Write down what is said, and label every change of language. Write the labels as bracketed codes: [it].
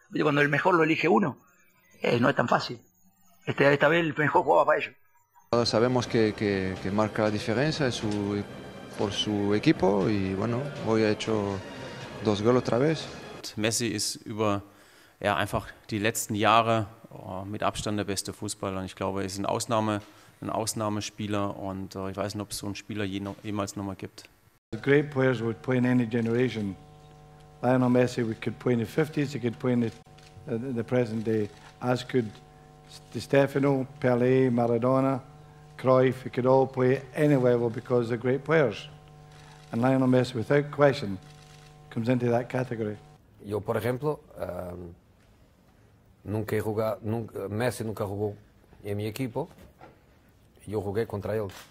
[es] Cuando el mejor lo elige uno, no es tan fácil. Esta vez el mejor jugaba para ellos. Sabemos que marca la diferencia por su equipo y bueno, hoy ha hecho dos goles otra vez. [de] Messi ist über ja einfach die letzten Jahre mit Abstand der beste Fußballer und ich glaube, er ist ein Ausnahmespieler und ich weiß nicht, ob es so einen Spieler jemals noch mal gibt. [en] The great players would play in any generation. Lionel Messi, we could play in the 50s, he could play in the present day, as could Di Stefano, Pelé, Maradona, Cruyff, he could all play any level because they're great players. And Lionel Messi, without question, comes into that category. [es] Yo, por ejemplo, nunca he jugado, Messi nunca jugó en mi equipo, yo jugué contra él.